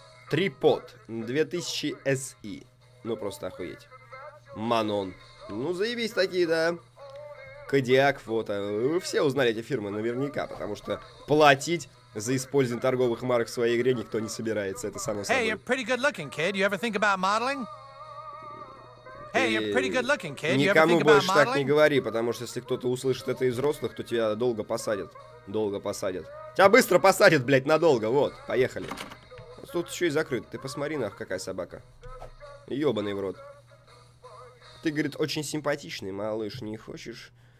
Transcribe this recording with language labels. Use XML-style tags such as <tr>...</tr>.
<ru>Трипод. 2000 SE. Ну, просто охуеть. Манон. Ну, заебись такие, да. Кодиак фото. Вы все узнали эти фирмы наверняка, потому что платить За использование торговых марок в своей игре никто не собирается, это само собой.</ru> <en>Hey, you're pretty good looking, kid. You ever think about modeling? Hey, you're pretty good looking, kid. You</en> <ru>никому больше так не говори, потому что если кто-то услышит это из взрослых, то тебя долго посадят. Долго посадят. Тебя быстро посадят, блядь, надолго. Вот, поехали. Тут еще и закрыт. Ты посмотри, нах, какая собака. Ёбаный в рот. Ты, говорит, очень симпатичный, малыш. Не хочешь?</ru>